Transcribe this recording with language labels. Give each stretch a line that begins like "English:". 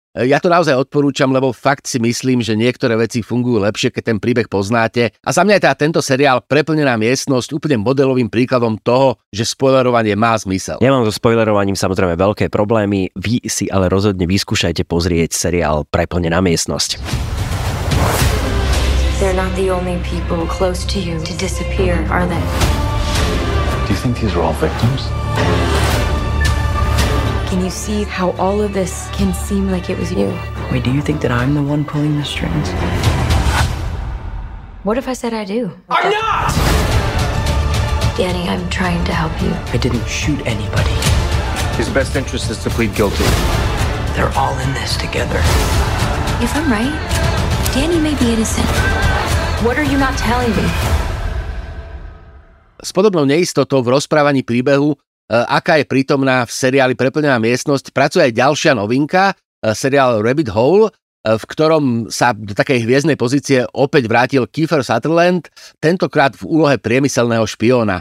Slovak: Ja to naozaj odporúčam, lebo fakt si myslím, že niektoré veci fungujú lepšie, keď ten príbeh poznáte. A za mňa je teda tento seriál Preplnená miestnosť úplne modelovým príkladom toho, že spoilerovanie má zmysel. Ja mám so spoilerovaním samozrejme veľké problémy, vy si ale rozhodne vyskúšajte pozrieť seriál Preplnená miestnosť.
English: They're not the only people close to you to disappear, are they? Do you think these are all victims? Can you see how all of this can seem like it was you? Wait, do you think that I'm the one pulling the strings? What if I said I do? I'm not! Danny, I'm trying to help you. I didn't shoot anybody. His best interest is to plead guilty. They're all in this together. If I'm right, Danny may be innocent. What are you not telling me?
Slovak: S podobnou neistotou v rozprávaní príbehu, aká je prítomná v seriáli Preplnená miestnosť, pracuje aj ďalšia novinka, seriál Rabbit Hole, v ktorom sa do takej hviezdnej pozície opäť vrátil Kiefer Sutherland, tentokrát v úlohe priemyselného špióna.